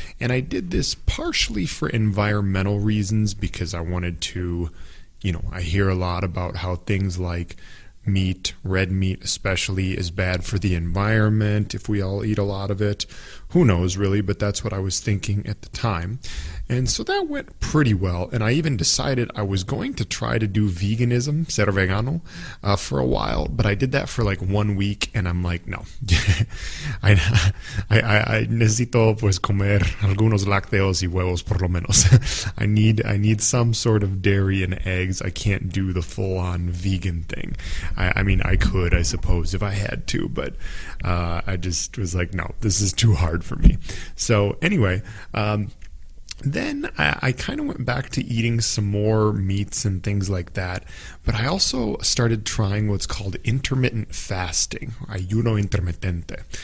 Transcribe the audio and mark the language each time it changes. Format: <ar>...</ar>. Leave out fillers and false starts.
<en>And I did this partially for environmental reasons, because I wanted to, you know, I hear a lot about how things like meat, red meat especially, is bad for the environment if we all eat a lot of it. Who knows, really? But that's what I was thinking at the time. And so that went pretty well. And I even decided I was going to try to do veganism,</en> <es>ser vegano,</es> <en>for a while. But I did that for like 1 week, and I'm like, no.</en> <es>I necesito pues comer algunos lácteos y huevos por lo menos.</es> <en>I need some sort of dairy and eggs. I can't do the full-on vegan thing. I mean, I could, I suppose, if I had to. But I just was like, no, this is too hard for me. So anyway, then I kind of went back to eating some more meats and things like that, but I also started trying what's called intermittent fasting,</en> <es>ayuno intermitente.</es>